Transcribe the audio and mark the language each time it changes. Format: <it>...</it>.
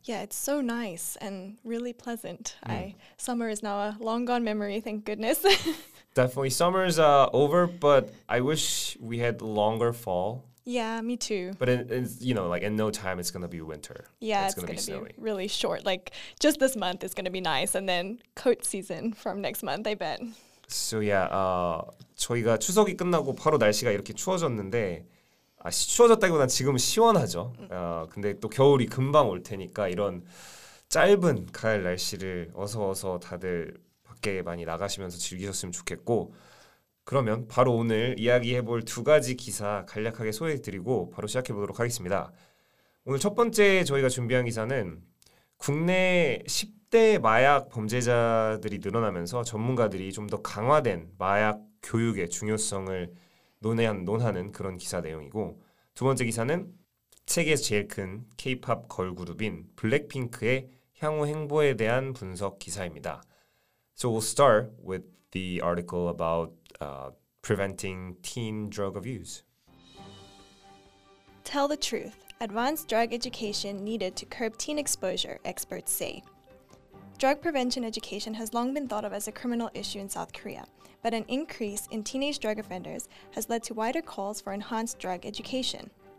<en>Yeah, it's so nice and really pleasant. Summer is now a long gone memory, thank goodness. Definitely. Summer's over, but I wish we had longer fall. Yeah, me too. But it's, you know, like in no time, it's going to be winter. Yeah, it's going to be really short. Like just this month is going to be nice. And then coat season from next month, I bet.</en> <ko>So yeah, 저희가 추석이 끝나고 바로 날씨가 이렇게 추워졌는데, 추워졌다기보다는 지금 시원하죠. 근데 또 겨울이 금방 올 테니까 이런 짧은 가을 날씨를 어서 다들 많이 나가시면서 즐기셨으면 좋겠고 그러면 바로 오늘 이야기해 볼 두 가지 기사 간략하게 소개해 드리고 바로 시작해 보도록 하겠습니다. 오늘 첫 번째 저희가 준비한 기사는 국내 10대 마약 범죄자들이 늘어나면서 전문가들이 좀 더 강화된 마약 교육의 중요성을 논하는 그런 기사 내용이고 두 번째 기사는 세계에서 제일 큰 K-POP 걸그룹인 블랙핑크의 향후 행보에 대한 분석 기사입니다.</ko> <en>So we'll start with the article about preventing teen drug abuse. Tell the truth. Advanced drug education needed to curb teen exposure, experts say. Drug prevention education has long been thought of as a criminal issue in South Korea, but an increase in teenage drug offenders has led to wider calls for enhanced drug education.</en>